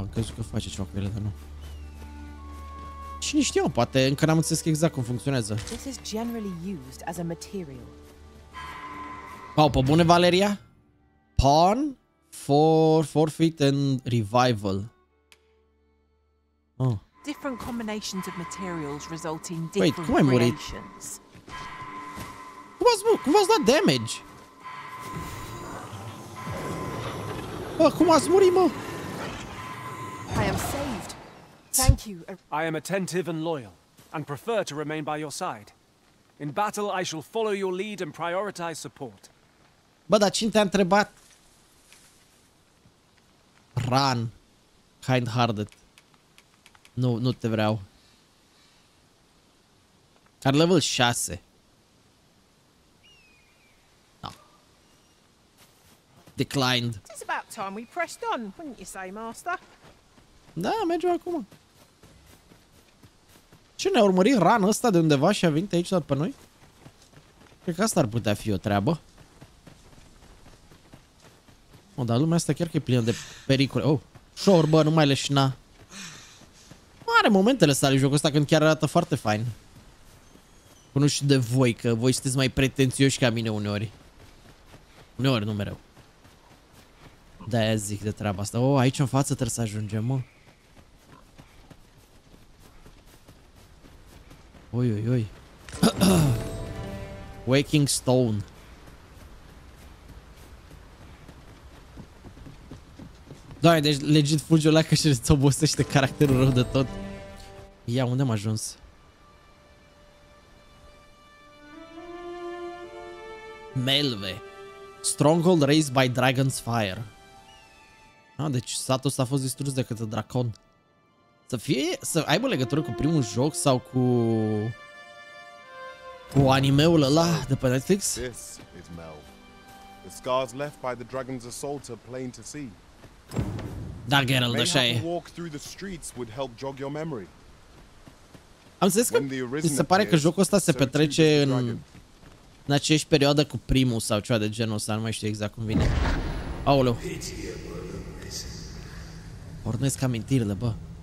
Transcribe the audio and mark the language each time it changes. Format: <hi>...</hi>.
<ro>Am crezut că face ceva cu ele, dar nu. Cine știu, poate încă n-am înțeles exact cum funcționează.</ro> <en>This is generally used as a material. Wow,</en> <ro>pe bune,</ro> <en>Valeria? Pawn, forfeit and revival. Oh. Different combinations of materials result in different reactions.</en> <ro>Cum v-ați dat damage? Bă, cum ați murit, mă?</ro> <en>I am saved. Thank you. I am attentive and loyal and prefer to remain by your side. In battle, I shall follow your lead and prioritize support.</en> <ro>Bă, dar cine te-a întrebat? Run, kind-hearted. Nu te vreau.</ro> <en>Car level 6. No. Declined. It's about time we pressed on, wouldn't you say, master?</en> <ro>Da, mergem acum. Ce, ne-a urmărit Run ăsta de undeva și a venit aici doar pe noi? Cred că asta ar putea fi o treabă. Oh, dar lumea asta chiar că e plină de pericole. Oh, șor, bă, nu mai leșina. Are momentele sale jocul ăsta când chiar arată foarte fain. Nu știu de voi, că voi sunteți mai pretențioși ca mine uneori. Uneori, nu mereu. De-aia zic de treaba asta. Oh, aici în față trebuie să ajungem, mă. Oi, oi, oi.</ro> <en>Waking Stone.</en> <ro>Doamne, deci legit fugiul ăla că și îți obosește caracterul rău de tot. Ia, unde am ajuns? Melve.</ro> <en>Stronghold raised by Dragon's Fire.</en> <ro>Ah, deci satul ăsta a fost distrus de către dracon. Să aibă legătură cu primul joc sau cu animeul ăla de pe Netflix?</ro> <en>This is Melve. The scars left by the dragon's assault are plain to see.</en> <ro>Da, Geralt, așa e.</ro> <en>Walk through the streets would help jog your memory.</en> <ro>Am zis că mi se pare că jocul ăsta se petrece în aceeași perioadă cu primul sau ceva de genul ăsta, nu mai știu exact cum vine. Aoleu. Pornesc amintirile, bă.</ro>